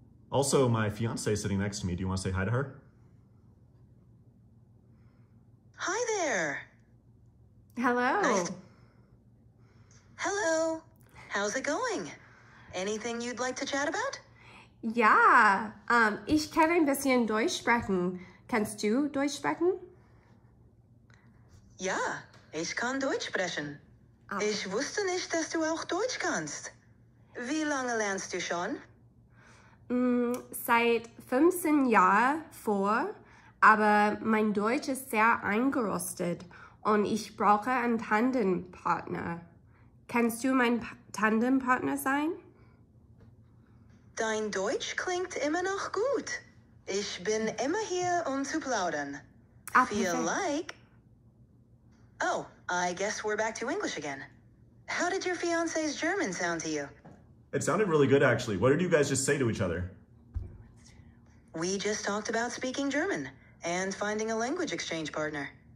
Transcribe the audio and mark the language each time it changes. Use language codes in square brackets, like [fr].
[en] Also, my fiance is sitting next to me. Do you want to say hi to her? Hi there. Hello. Hello. How's it going? Anything you'd like to chat about? Yeah. [de] Ich kann ein bisschen Deutsch sprechen. Kannst du Deutsch sprechen? Ja, ich kann Deutsch sprechen. Oh. Ich wusste nicht, dass du auch Deutsch kannst. Wie lange lernst du schon? Seit 15 Jahren vor, aber mein Deutsch ist sehr eingerostet. und ich brauche einen Tandempartner. Kannst du mein Tandempartner sein? Dein Deutsch klingt immer noch gut. Ich bin immer hier, um zu plaudern. Ah, perfekt. [en] Feel like... Oh, I guess we're back to English again. How did your fiancé's German sound to you? It sounded really good, actually. What did you guys just say to each other? We just talked about speaking German and finding a language exchange partner.